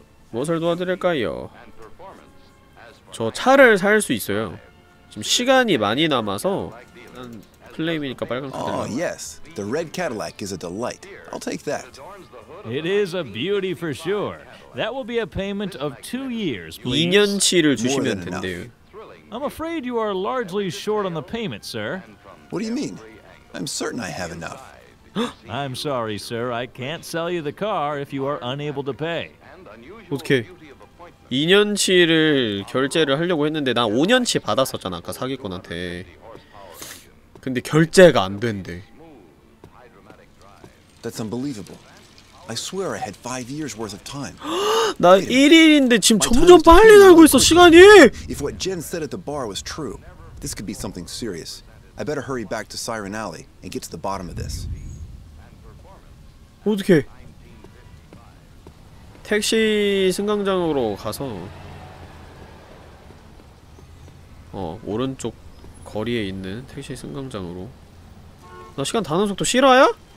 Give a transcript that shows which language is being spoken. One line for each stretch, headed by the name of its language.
Korean: 무엇을 도와드릴까요? 저 차를 살 수 있어요. 지금 시간이 많이 남아서 난 플레임이니까 빨간 카드.
English: Oh, yes. The red Cadillac is a delight. I'll take that. It is a beauty for sure. That will be a payment of 2 years, please.
Korean: 2년치를 주시면 된대요.
English: I'm afraid you are largely short on the payment, sir. What do you mean? I'm certain I have enough. I'm sorry, sir. I can't sell you the car if you are unable to pay.
Korean: 어떻게? 2년치를 결제를 하려고 했는데 나 5년치 받았었잖아, 아까 사기꾼한테. 근데 결제가 안 된대.
English: That's unbelievable. I swear I had 5 years worth of time.
Korean: 나 1일인데 지금 점점 빨리 날고 있어 시간이.
English: If what Jen said at the bar was true, this could be something serious. I better hurry back to Siren Alley and get to the bottom of this.
Korean: 어떻게? 택시 승강장으로 가서 오른쪽 거리에 있는 택시 승강장으로. 나 시간 단속도 실화야?